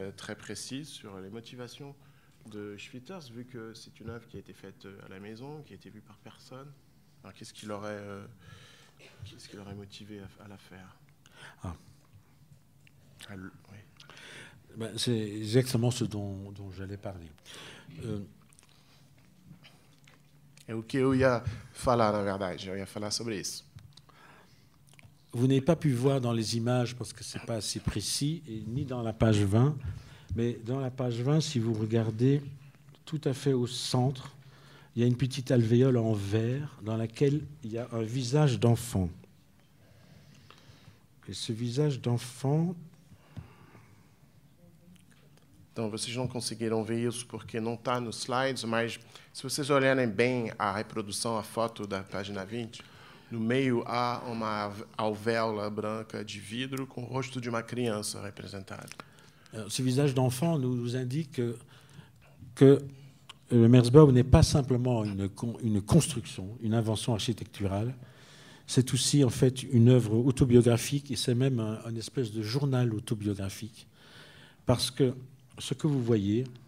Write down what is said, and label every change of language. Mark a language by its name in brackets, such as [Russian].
[French] Très précise sur les motivations de Schwitters, vu que c'est une œuvre qui a été faite à la maison, qui a été vue par personne. Alors qu'est-ce qui l'aurait motivé à la faire? Ah. Ben, c'est exactement ce dont j'allais parler. [Portuguese] É o que eu ia falar, na verdade. Eu ia falar sobre isso. [French] Vous n'avez pas pu voir dans les images, parce que ce n'est pas assez précis, et ni dans la page 20, mais dans la page 20, si vous regardez tout à fait au centre, il y a une petite alvéole en vert dans laquelle il y a un visage d'enfant. Et ce visage d'enfant... [Portuguese] Então, vocês não conseguiram ver isso porque não está nos slides, mas se vocês olharem bem a reprodução, a foto da página 20, no meio há uma alvéola branca de vidro com o rosto de uma criança representado. Esse [French] visage d'enfant nous indique que le Märzbau n'est pas simplement une construction, une invention architecturale, c'est aussi en fait une œuvre autobiographique et c'est même une espèce de journal autobiographique parce que ce que vous voyez,